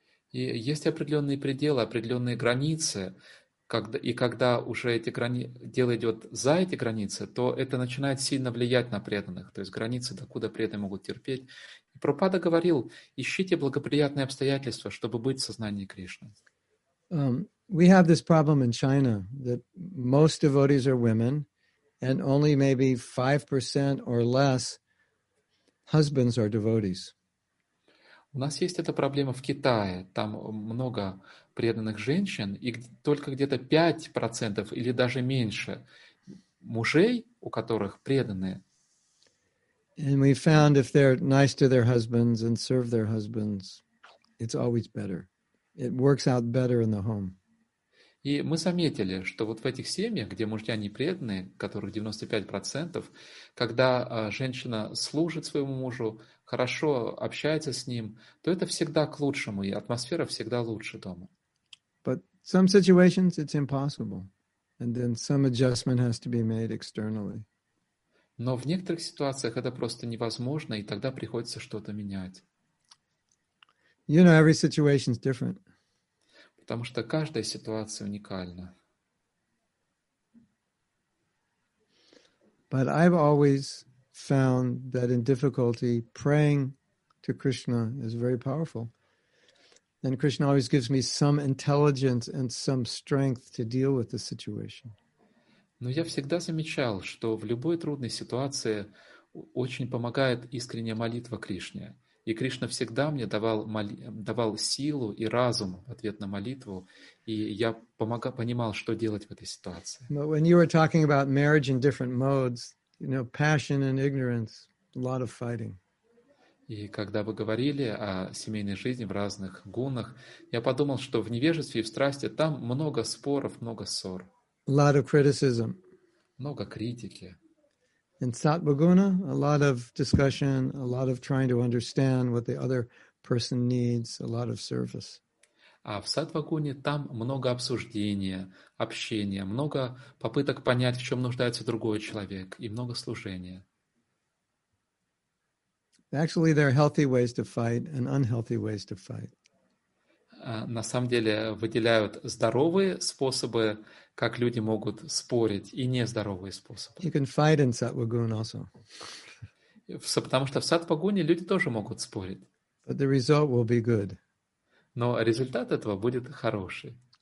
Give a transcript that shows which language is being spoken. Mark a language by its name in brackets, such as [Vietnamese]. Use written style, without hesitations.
[Russian] И есть определенные пределы, определенные границы, и когда уже эти дело идет за эти границы, то это начинает сильно влиять на преданных. То есть границы, докуда преданные могут терпеть. И Прабхупада говорил, ищите благоприятные обстоятельства, чтобы быть в сознании Кришны. [English] We have this problem in China, that most devotees are women, and only maybe 5% or less husbands are devotees. [Russian] У нас есть эта проблема в Китае. Там много преданных женщин, и только где-то 5% или даже меньше мужей, у которых преданные. [English] And we found if they're nice to their husbands and serve their husbands, it's always better. It works out better in the home. [Russian] И мы заметили, что вот в этих семьях, где мужья не преданные, которых 95%, когда женщина служит своему мужу, хорошо общается с ним, то это всегда к лучшему, и атмосфера всегда лучше дома. [English] But some situations it's impossible, and then some adjustment has to be made externally. [Russian] Но в некоторых ситуациях это просто невозможно, и тогда приходится что-то менять. [English] You know, every situation is different. [Russian] Потому что каждая ситуация уникальна. [English] But I've always found that in difficulty, praying to Krishna is very powerful. And Krishna always gives me some intelligence and some strength to deal with the situation. [Russian] Но я всегда замечал, что в любой трудной ситуации очень помогает искренняя молитва Кришне. И Кришна всегда мне давал силу и разум в ответ на молитву, и я понимал, что делать в этой ситуации. [English] But when you were talking about marriage in different modes, you know, passion and ignorance, a lot of fighting. [Russian] И когда вы говорили о семейной жизни в разных гунах, я подумал, что в невежестве и в страсти там много споров, много ссор. [English] A lot of criticism. [Russian] Много критики. [English] In Satvaguna, a lot of discussion, a lot of trying to understand what the other person needs, a lot of service. [Russian] А в Сатвагуне там много обсуждения, общения, много попыток понять, в чем нуждается другой человек, и много служения. [English] Actually, there are healthy ways to fight and unhealthy ways to fight. [Russian] На самом деле выделяют здоровые способы, как люди могут спорить, и нездоровые способы. [English] You can fight in Satvaguna also. [Russian] Потому что в сатвагуне люди тоже могут спорить. [English] But the result will be good. [Russian] Но результат этого будет хороший.